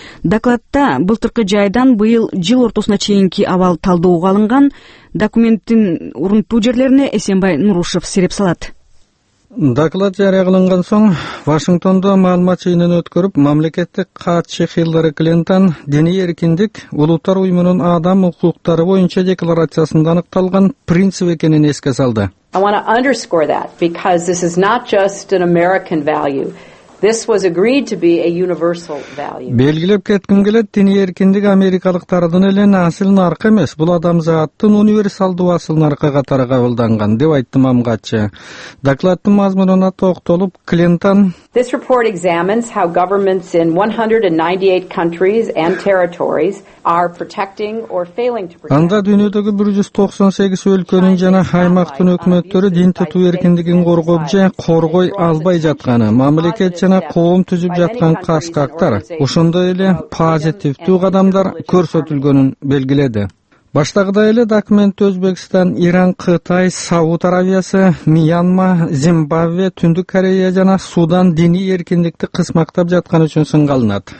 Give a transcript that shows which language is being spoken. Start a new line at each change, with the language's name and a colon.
Kyrgyz: Докладда былтыркы жайдан быйыл жыл ортосуна чейинки абал талдоого алынган, документтин урунтуу жерлерине Эсенбай Нурушев сиреп салат. Доклад жарыя кылынган соң Вашингтондо маалымат жыйынын өткөрүп, мамлекеттик катчы Хиллари Клинтон диний эркиндик улуттар уюмунун адам укуктары боюнча декларациясында аныкталган принцип экенин эске салды.
English: I want to underscore that because this is not just an American value. This was agreed to be a universal value.
Kyrgyz: Белгилеп кетким келет, диний эркиндик америкалыктардын эле асыл наркы эмес, бул адамзаттын универсалдуу асыл наркы катары кабылданган деп айтты мамгатчы. Докладтын мазмунуна токтолуп, Клинтон:
English: This report examines how governments in 198 countries and territories are protecting or failing to protect.
Kyrgyz: Анда дүйнөдөгү 198 өлкөнүн жана аймактын өкмөттөрү дин тутуу эркиндигин коргоп же коргой албай жатканы, мамлекет жана коом түзүп жаткан каскактар, ошондой эле позитивдүү кадамдар көрсөтүлгөнүн белгиледи. Баштагыдай эле документ Өзбекстан, Иран, Кытай, Сауд Аравиясы, Мьянма, Зимбабве, Түндүк Корея жана Судан диний эркиндикти кысмактап жатканы үчүн сынга алынат.